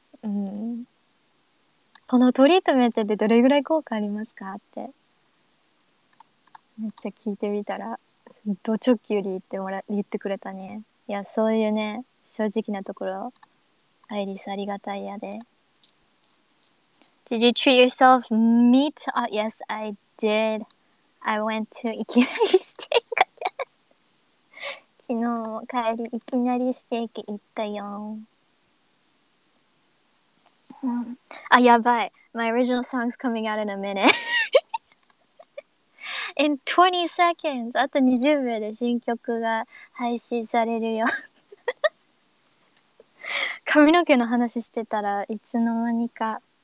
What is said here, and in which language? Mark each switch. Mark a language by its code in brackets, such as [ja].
[ja] うん、このトリートメントってどれぐらい効果ありますかってめっちゃ聞いてみたら、ド直球で言ってくれたね。いや、そういうね、正直なところ、アイリスありがたいやで。 [en] Did you treat yourself meat? Yes, I did. I went to [ja] いきなりステーキ昨日も帰り、いきなりステーキ行ったよ。あ、やばい。 [en] My original song's coming out in a minute. In 20 seconds! [ja] あと20秒で新曲が配信されるよ。髪の毛の話してたらいつの間にか。